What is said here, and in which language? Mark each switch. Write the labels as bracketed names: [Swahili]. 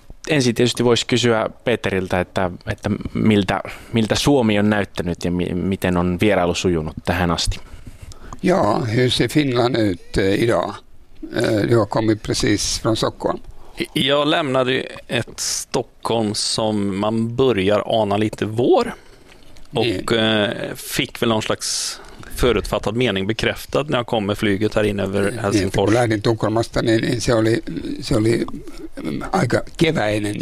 [Finnish] Ensin tietysti voisi kysyä Peteriltä, että miltä Suomi on näyttänyt ja miten on vierailu sujunut tähän asti. [Swedish] Joo, hur ser Finland ut idag? Du har kommit precis från Stockholm. Jag lämnade ju ett Stockholm som man börjar ana lite vår. Och fick väl någon slags förutfattad mening bekräftad när jag kom med flyget här inne över Helsingfors. [Finnish] Kun lähdin Tukholmasta, niin se oli aika keväinen.